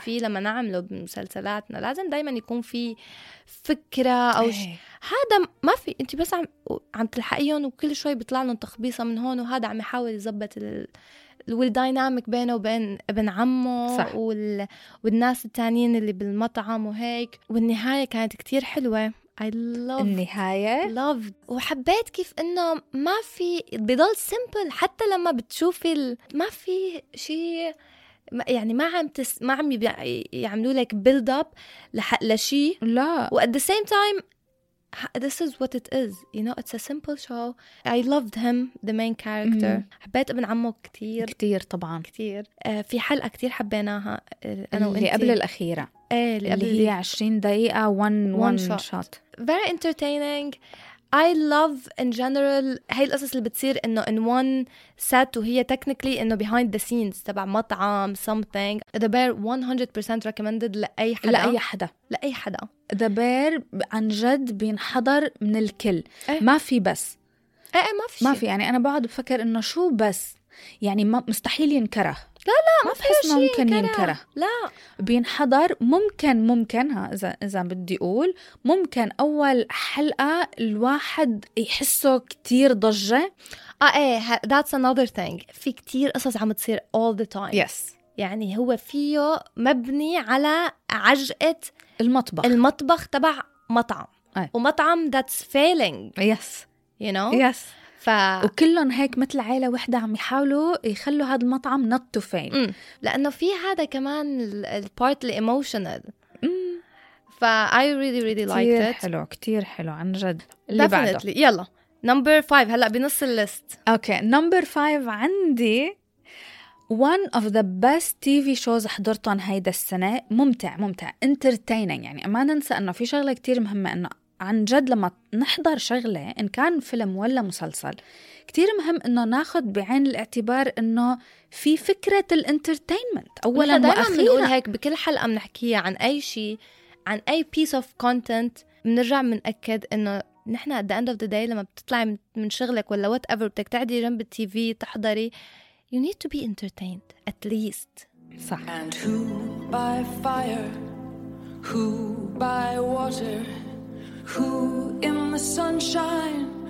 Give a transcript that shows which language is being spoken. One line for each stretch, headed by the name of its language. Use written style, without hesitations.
Arabic: فيه لما نعمله بمسلسلاتنا لازم دايما يكون في فكرة أو هذا ما في أنت بس عم تلحقيهم وكل شوي بيطلع لهم تخبيصة من هون وهذا عم يحاول يزبط والدايناميك بينه وبين ابن عمه والناس التانيين اللي بالمطعم وهيك. والنهاية كانت كتير حلوة
English: I loved
Arabic: النهاية.
English: Loved.
Arabic: وحبيت كيف إنه ما في بضل سيمبل حتى لما بتشوفي ما في شيء يعني ما عم يعملوا لك
English: build up
Arabic: لشيء. لا.
English: و at the same time this is what it is. You know it's a simple show. I loved him the main character.
Arabic: حبيت ابن عمه كتير. كتير طبعاً. كتير. في حلقة كتير حبيناها. أنا اللي قبل الأخيرة. إيه اللي هي 20 دقيقة
English: one shot. Very entertaining. I love in general
Arabic: هاي القصص اللي بتصير إنه
English: in one set وهي technically إنه behind the scenes تبع مطعم something. The Bear 100% recommended لأي حدا.
Arabic: لأي حدا. لأي حدا. The Bear عن جد بينحضر من الكل. إيه؟ ما في بس. إيه إيه ما في. ما في يعني أنا بقعد بفكر إنه شو بس يعني مستحيل ينكره. لا لا ما في شيء ممكن ينكره لا بينحضر ممكن ها اذا بدي اقول ممكن اول حلقه الواحد يحسه كتير ضجه
English: ايه ذاتس انذر ثينج
Arabic: في كتير قصص عم تصير
English: all the time yes
Arabic: يعني هو فيه مبني على عجقه المطبخ تبع مطعم أيه.
English: ومطعم that's feeling yes you know yes ف...
Arabic: وكلهم هيك مثل عائلة واحدة عم يحاولوا يخلوا هذا المطعم
English: not to fail
Arabic: لأنه في هذا كمان
English: part emotional
Arabic: ف
English: I really really liked
Arabic: كتير
English: it
Arabic: حلو كتير حلو عن جد اللي definitely بعده. يلا number five هلأ بنص الليست okay number five عندي
English: one of the best TV shows
Arabic: حضرتهم هيدا السنة ممتع entertaining يعني ما ننسى أنه في شغلة كتير مهمة أنه عن جد لما نحضر شغلة إن كان فيلم ولا مسلسل كتير مهم إنه ناخد بعين الاعتبار إنه في فكرة الانترتينمنت أولاً وأخيراً دائماً نقول هيك بكل حلقة منحكيها عن أي شيء عن أي
English: piece of content
Arabic: منرجع منأكد إنه نحن
English: at the end of the day
Arabic: لما بتطلع من شغلك ولا whatever بدك تعدي جنب TV تحضري
English: you need to be entertained at least
Arabic: صح
English: and who by fire who by water Who in the sunshine?